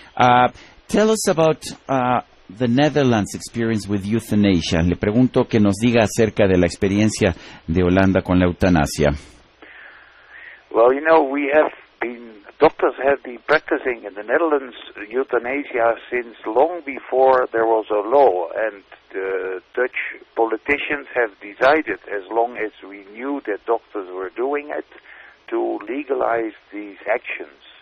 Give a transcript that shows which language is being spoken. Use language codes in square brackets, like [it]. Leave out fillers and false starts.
[en] Tell us about the Netherlands' experience with euthanasia. [es] Le pregunto que nos diga acerca de la experiencia de Holanda con la eutanasia. [en] Well, you know, we have been, doctors have been practicing in the Netherlands euthanasia since long before there was a law, and the Dutch politicians have decided, as long as we knew that doctors were doing it, to legalize these actions.